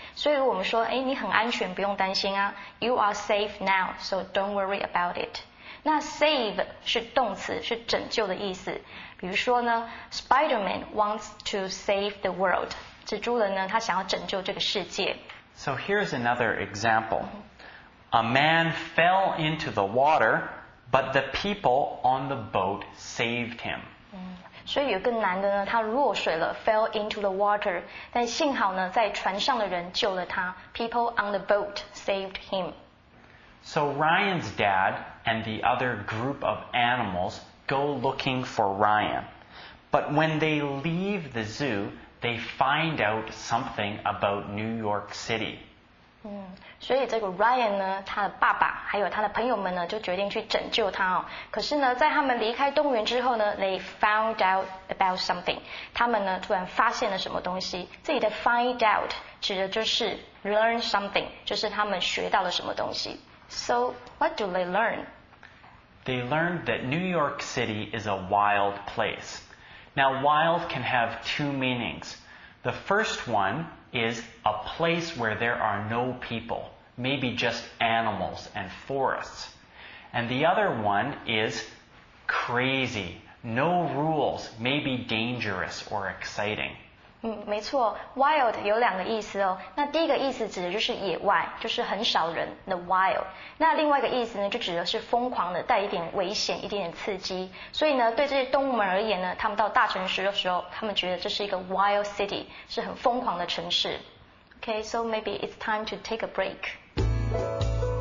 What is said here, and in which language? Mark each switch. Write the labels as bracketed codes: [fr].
[zh] 所以如果我们说，哎，你很安全，不用担心啊 ， [en] You are safe now， so don't worry about it。 [zh] 那 save 是动词，是拯救的意思。比如说呢 ， [en] Spider-Man wants to save the world， [zh] 蜘蛛人呢，他想要拯救这个世界。 [en] So here's another example. A man fell into the water, but the people on the boat saved him. [zh] 所以有个男的呢，他落水了 ， [en] fell into the water， [zh] 但幸好呢，在船上的人救了他。 [en] People on the boat saved him. So Ryan's dad and the other group of animals go looking for Ryan, but when they leave the zoo. They find out something about New York City. [zh] 所以这个 Ryan 呢，他的爸爸还有他的朋友们呢，就决定去拯救他哦。可是呢，在他们离开动物园之后呢 ， [en] they found out about something. [zh] 他们呢，突然发现了什么东西。这里的 [en] find out [zh] 指的就是 [en] learn something， [zh] 就是他们学到了什么东西。 [en] So what do they learn? They learned that New York City is a wild place. Now, wild can have two meanings. The first one is a place where there are no people, maybe just animals and forests. And the other one is crazy, no rules, maybe dangerous or exciting. [zh] 没错 ，wild 有两个意思哦。那第一个意思指的就是野外，就是很少人 ，the wild。那另外一个意思呢，就指的是疯狂的，带一点危险，一点点刺激。所以呢，对这些动物们而言呢，他们到大城市的时候，他们觉得这是一个 wild city， 是很疯狂的城市。 [en] Okay, so maybe it's time to take a break.